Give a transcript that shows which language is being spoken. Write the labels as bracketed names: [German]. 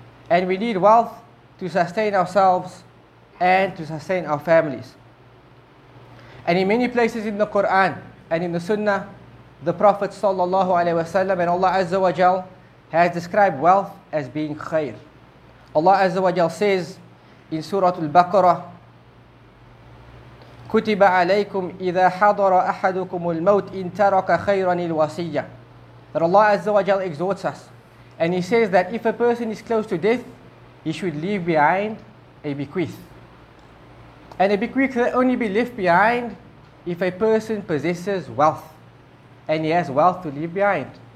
[English] And we need wealth to sustain ourselves and to sustain our families. And in many places in the Quran and in the Sunnah, the Prophet sallallahu alaihi wasallam and Allah azza wa jal has described wealth as being khair. Allah azza wa jal says in Surah Al-Baqarah, [Arabic] كُتِبَ عَلَيْكُمْ إِذَا حَضَرَ أَحَدُكُمُ الْمَوْتِ إِن تَرَكَ خَيْرًا الْوَصِيَّةِ. [English] That Allah azza wa jal exhorts us and he says that if a person is close to death, he should leave behind a bequest. And a bequest can only be left behind if a person possesses wealth and he has wealth to leave behind.